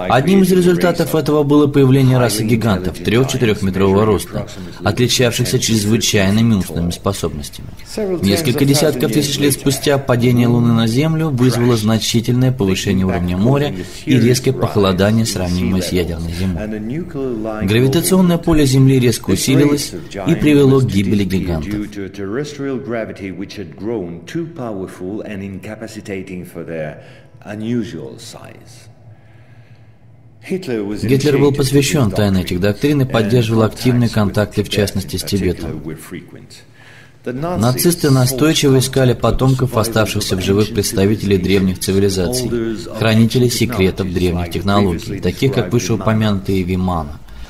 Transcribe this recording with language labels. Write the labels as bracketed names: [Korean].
[Russian] Одним из результатов этого было появление расы гигантов 3-4-метрового роста, отличавшихся чрезвычайными умственными способностями. Несколько десятков тысяч лет спустя падение Луны на Землю вызвало значительное повышение уровня моря и резкое похолодание, сравнимое с ядерной Землей. Гравитационное поле Земли резко усилилось и привело к гибели гигантов. [English] Due to a terrestrial gravity which had grown too powerful and incapacitating for their unusual size. [Russian] Гитлер был посвящен тайне этих доктрин и поддерживал активные контакты, в частности, с Тибетом. Нацисты настойчиво искали потомков оставшихся в живых представителей древних цивилизаций, хранителей секретов древних технологий, таких как вышеупомянутые Вимана.